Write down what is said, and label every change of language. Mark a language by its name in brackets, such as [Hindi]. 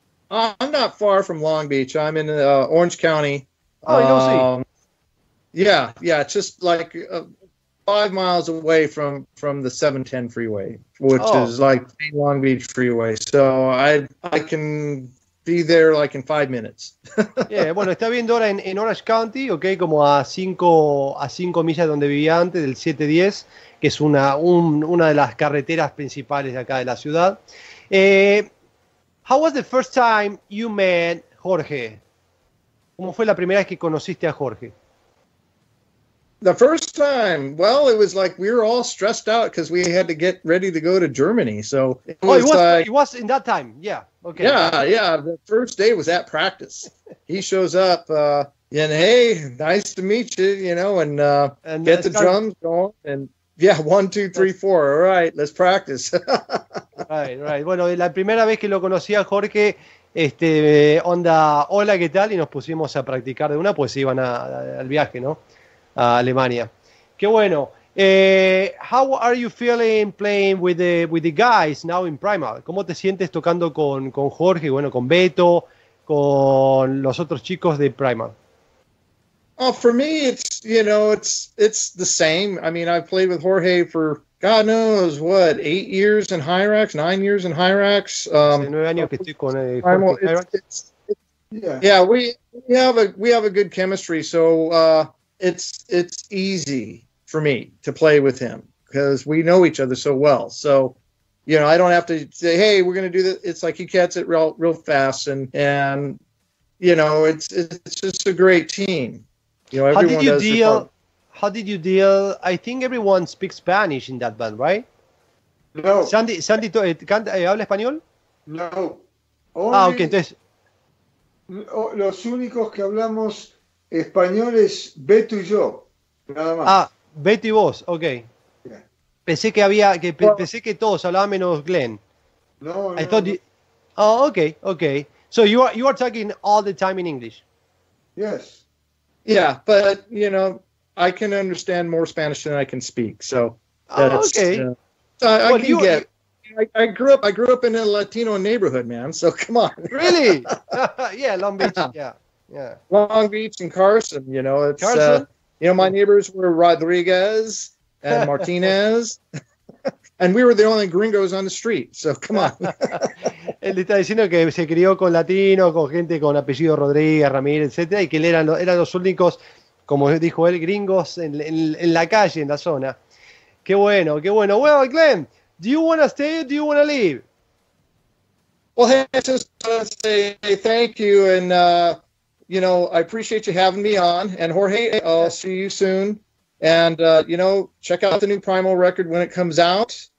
[English] I'm not far from Long Beach. I'm in Orange County. Oh, you don't see. Yeah, just like 5 miles away from the 710 freeway, which is like the Long Beach freeway. So I can be there like in 5 minutes. [Spanish] Yeah, bueno, está viendo ahora en Orange County, okay, como a cinco millas donde vivía antes del 710, que es una de las carreteras principales de acá de la ciudad. [English] How was the first time you met Jorge? [Spanish] ¿Cómo fue la primera vez que conociste a Jorge? [English] The first time, well, it was like we were all stressed out because we had to get ready to go to Germany. So it was in that time. Yeah. Okay. Yeah. The first day was at practice. He shows up and hey, nice to meet you, you know, and get the drums going. And yeah, 1, 2, 3, 4. All right, let's practice. right. [Spanish] Bueno, la primera vez que lo conocí a Jorge, hola, ¿qué tal? Y nos pusimos a practicar de una, pues iban al viaje, ¿no? A Alemania. Qué bueno. [English] How are you feeling playing with the guys now in Primal? [Spanish] ¿Cómo te sientes tocando con Jorge, bueno, con Beto, con los otros chicos de Primal? [English] Oh, for me it's the same. I mean, I've played with Jorge for God knows what, 8 years in Hyrax, 9 years in Hyrax. [Spanish] Hace 9 años que estoy con Primal, Jorge Hyrax. [English] Yeah, we have a good chemistry, so It's easy for me to play with him because we know each other so well. So, you know, I don't have to say, hey, we're going to do this. It's like he gets it real fast. And you know, it's just a great team. You know, everyone does their part. How did you deal? I think everyone speaks Spanish in that band, right? No. [Spanish] Sandy, ¿habla español? No. Okay. Entonces, los únicos que hablamos español es Beto y yo, nada más. Ah, Beto y vos, ok. [English] Yeah. [Spanish] Pensé que había, pensé que todos hablaban menos Glenn. No. [English] Oh, ok. So you are talking all the time in English. Yes. Yeah, but, you know, I can understand more Spanish than I can speak, so. That's, okay. I can get I grew up in a Latino neighborhood, man. So come on. Really? Yeah, Long Beach. Yeah. Long Beach and Carson. You know, it's Carson. You know, my neighbors were Rodriguez and Martinez. And we were the only gringos on the street, so come on. [Spanish] Él está diciendo que se crió con latinos, con gente con apellido Rodríguez, Ramírez, etcétera, y que él eran los únicos, como dijo él, gringos en la calle, en la zona. Qué bueno, qué bueno. [English] Well, Glenn, do you want to stay or do you want to leave? Well, hey, I just want to say thank you, and, you know, I appreciate you having me on. And, Jorge, I'll see you soon. And, you know, check out the new Primal record when it comes out.